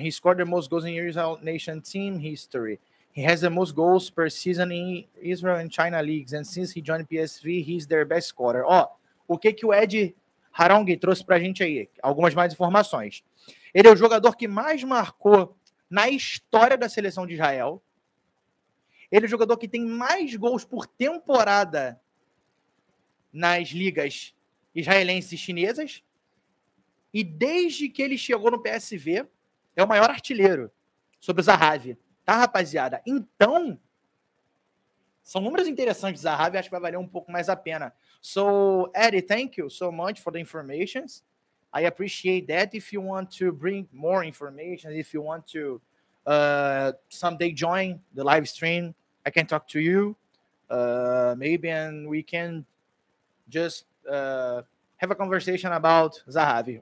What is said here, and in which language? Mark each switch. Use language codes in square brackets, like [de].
[en] He scored the most goals in Israel Nation team history. He has the most goals per season in Israel and China leagues. And since he joined PSV, he's their best scorer. [pt] Ó, o que o Ed Harangue trouxe pra gente aí? Algumas mais informações. Ele é o jogador que mais marcou na história da seleção de Israel. Ele é o jogador que tem mais gols por temporada nas ligas israelenses e chinesas. E desde que ele chegou no PSV, é o maior artilheiro sobre o Zahavi. Tá, rapaziada? Então, são números interessantes, Zahavi. Acho que vai valer um pouco mais a pena. [en] So, Eddie, thank you so much for the information. I appreciate that. If you want to bring more information, if you want to someday join the live stream, I can talk to you. Maybe and we can just have a conversation about Zahavi.